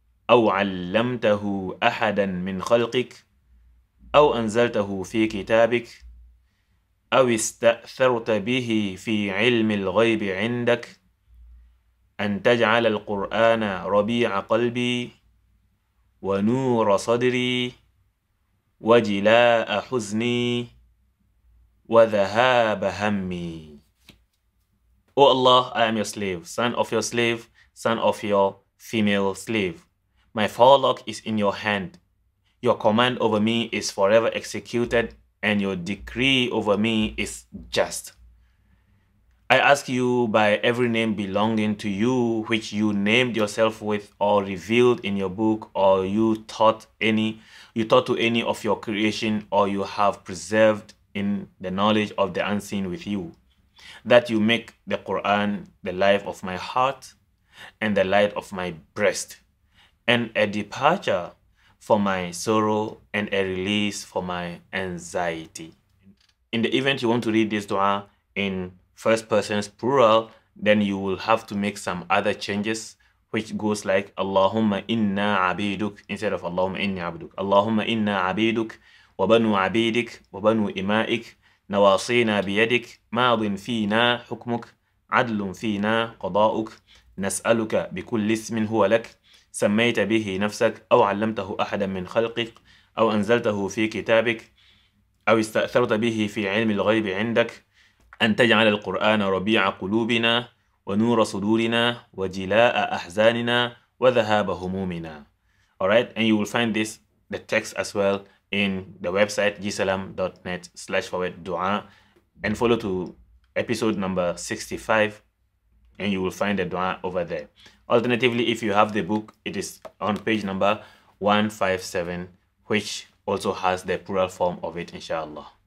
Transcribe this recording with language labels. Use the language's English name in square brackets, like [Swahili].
[Arabic] أو علمته أحدا من خلقك أو أنزلته في كتابك أو استأثرت به في علم الغيب عندك أن تجعل القرآن ربيع قلبي ونور صدري وجلاء حزني وذهاب همي. [English] O Allah, I am your slave, son of your female slave. My forelock is in your hand. Your command over me is forever executed and your decree over me is just. I ask you by every name belonging to you, which you named yourself with or revealed in your book or you taught to any of your creation or you have preserved in the knowledge of the unseen with you, that you make the Quran the life of my heart and the light of my breast and a departure for my sorrow and a release for my anxiety. In the event you want to read this dua in first person's plural, then you will have to make some other changes, which goes like [Arabic] Allahumma inna abiduk [English] instead of [Arabic] Allahumma inni abiduk. Allahumma inna abiduk wa banu abidik wa banu imaik نواصينا بيدك ماض فينا حكمك عدل فينا قضاؤك نسألك بكل اسم هو لك سميت به نفسك أو علمته أحدا من خلقك أو أنزلته في كتابك أو استأثرت به في علم الغيب عندك أن تجعل القرآن ربيع قلوبنا ونور صدورنا وجلاء أحزاننا وذهاب همومنا. [English] Alright, and you will find this, the text as well, in the website gsalam.net/dua, and follow to episode number 65 and you will find the dua over there. Alternatively, if you have the book, it is on page number 157, which also has the plural form of it, inshallah.